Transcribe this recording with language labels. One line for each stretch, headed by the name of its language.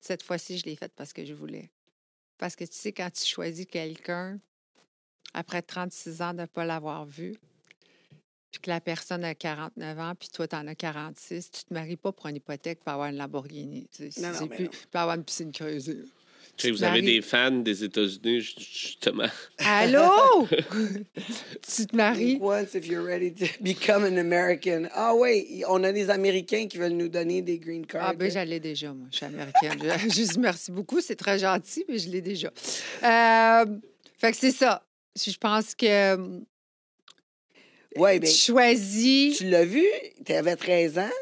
French: Cette fois-ci, je l'ai faite parce que je voulais. Parce que tu sais, quand tu choisis quelqu'un, après 36 ans de ne pas l'avoir vu, puis que la personne a 49 ans, puis toi, t'en as 46, tu te maries pas pour une hypothèque pour avoir une Lamborghini. Tu sais, non, c'est non, plus, non. Puis avoir une piscine creusée. Tu sais, vous avez des fans des États-Unis, justement. Allô? Tu te maries?
English: Once if you're ready to become an American.
French: Ah oui, on a des Américains qui veulent nous donner des green cards. Ah ben, j'allais déjà, moi. Je suis Américaine. Je dis merci beaucoup, c'est très gentil, mais je l'ai déjà. Fait que c'est ça. Je pense que... Ouais, ben, tu choisis... Tu l'as vu, tu avais 13 ans.